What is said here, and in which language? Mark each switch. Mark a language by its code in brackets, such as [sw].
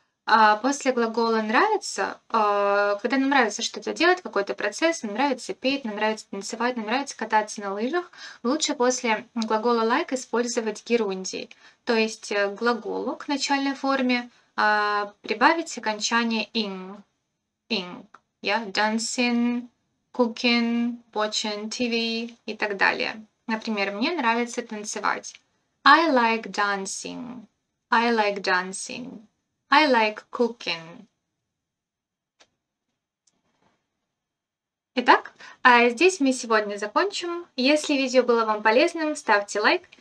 [ru] А после глагола нравится, когда нам нравится что-то делать, какой-то процесс, нам нравится петь, нам нравится танцевать, нам нравится кататься на лыжах, лучше после глагола like использовать герундий, то есть глаголу к начальной форме прибавить окончание ing. [en] Ing, yeah? Dancing, cooking, watching TV [ru] и так далее. Например, мне нравится танцевать. [en] I like dancing. I like dancing. I like cooking. [ru] Итак, а здесь мы сегодня закончим. Если видео было вам полезным, ставьте лайк.